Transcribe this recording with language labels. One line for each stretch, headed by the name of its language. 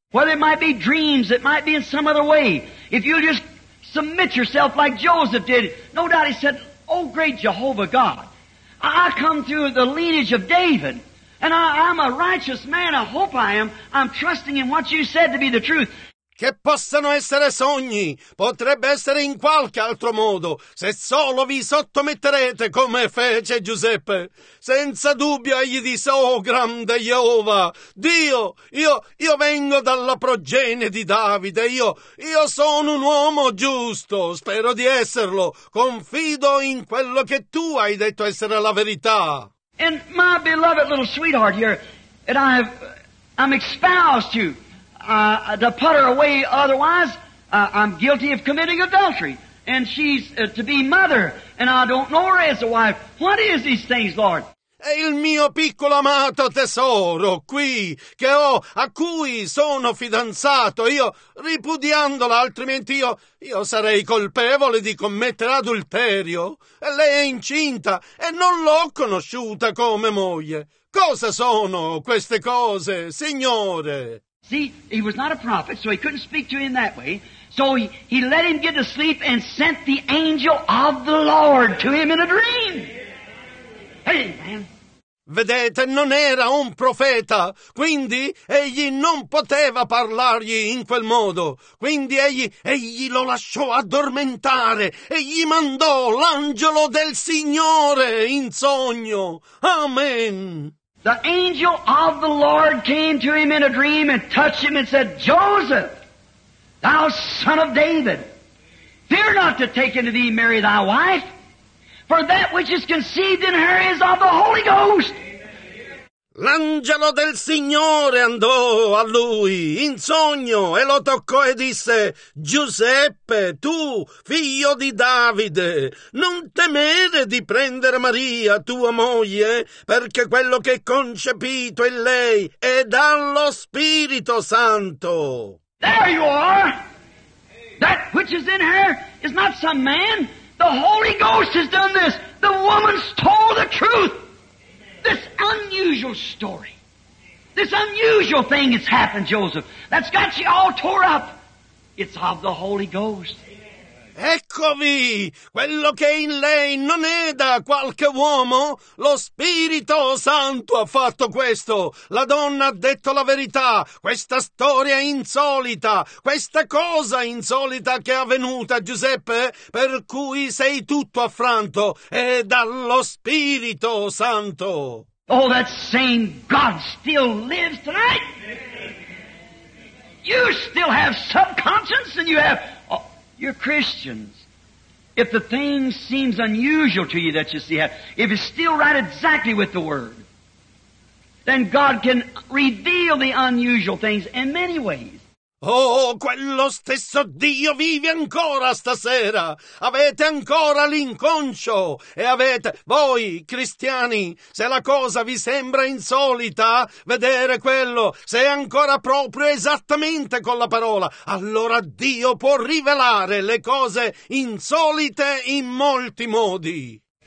English: Well, it might be dreams, it might be in some other way. If you just submit yourself like Joseph did, no doubt he said, Oh, great Jehovah God, I come through the lineage of David, and I'm a righteous man, I hope I am, I'm trusting in what you said to be the truth.
Italian: Che possano essere sogni, potrebbe essere in qualche altro modo, se solo vi sottometterete come fece Giuseppe. Senza dubbio egli disse, oh grande Jehovah, Dio, io vengo dalla progenie di Davide, io sono un uomo giusto, spero di esserlo, confido in quello che tu hai detto essere la verità.
English: And my beloved little sweetheart here, and I'm espoused to you. To put her away otherwise, I'm guilty of committing adultery. And she's to be mother, and I don't know her as a wife. What is these things, Lord?
Italian: È il mio piccolo amato tesoro qui, che ho, a cui sono fidanzato, io ripudiandola, altrimenti io sarei colpevole di commettere adulterio. E lei è incinta, e non l'ho conosciuta come moglie. Cosa sono queste cose, Signore?
English: See, he was not a prophet, so he couldn't speak to him that way. So he let him get to sleep and sent the angel of the Lord to him in a dream. Hey, man.
Italian: Vedete, non era un profeta, quindi egli non poteva parlargli in quel modo. Quindi egli lo lasciò addormentare e gli mandò l'angelo del Signore in sogno. Amen.
English: The angel of the Lord came to him in a dream and touched him and said, Joseph, thou son of David, fear not to take unto thee Mary thy wife, for that which is conceived in her is of the Holy Ghost.
Italian: L'angelo del Signore andò a lui in sogno e lo toccò e disse, Giuseppe, tu figlio di Davide, non temere di prendere Maria, tua moglie, perché quello che è concepito in lei è dallo Spirito Santo.
English: There you are! That which is in her is not some man. The Holy Ghost has done this. The woman's told the truth. This unusual story, this unusual thing that's happened, Joseph, that's got you all tore up, it's of the Holy Ghost.
Italian: Eccovi, quello che in lei non è da qualche uomo, lo Spirito Santo ha fatto questo. La donna ha detto la verità, questa storia insolita, questa cosa insolita che è avvenuta, Giuseppe, per cui sei tutto affranto, è dallo Spirito Santo.
English: Oh, that same God still lives tonight? You still have subconscious and you have... You're Christians. If the thing seems unusual to you that you see, if it's still right exactly with the Word, then God can reveal the unusual things in many ways.
Italian: Oh, quello stesso Dio vive ancora stasera. Avete ancora l'inconscio e avete... Voi, cristiani, se la cosa vi sembra insolita, vedere quello, se è ancora proprio esattamente con la parola, allora Dio può rivelare le cose insolite in molti modi.